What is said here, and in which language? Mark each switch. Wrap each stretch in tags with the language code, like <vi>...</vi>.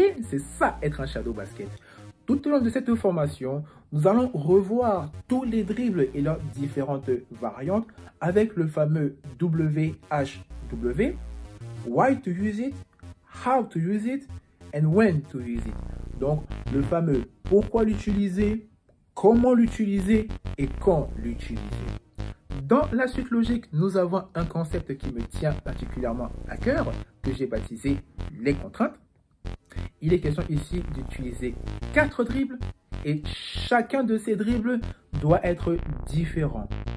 <fr>C'est ça être un shadow basket. Tout au long de cette formation, nous allons revoir tous les dribbles et leurs différentes variantes avec le fameux WHW.</fr> <en>Why to use it, how to use it, and when to use it.</en> <fr>Donc, le fameux pourquoi l'utiliser, comment l'utiliser et quand l'utiliser. Dans la suite logique, nous avons un concept qui me tient particulièrement à cœur, que j'ai baptisé les contraintes. Il est question ici d'utiliser 4 dribbles et chacun de ces dribbles doit être différent.</fr>